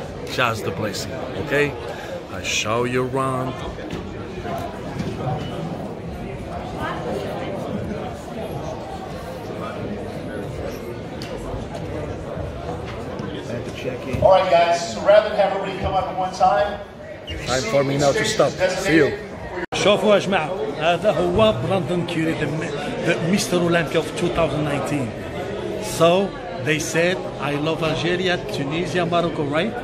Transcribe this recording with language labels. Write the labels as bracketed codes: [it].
[en] Just the blessing. Okay? I show you around. All right, guys. So rather than have everybody come up at one time, time for me now to stop. See you. [ar] شوفوا يا جماعة هذا هو براندون كيوري مستر أولمبيا في 2019. [en] So they said I love Algeria, Tunisia, Morocco, right?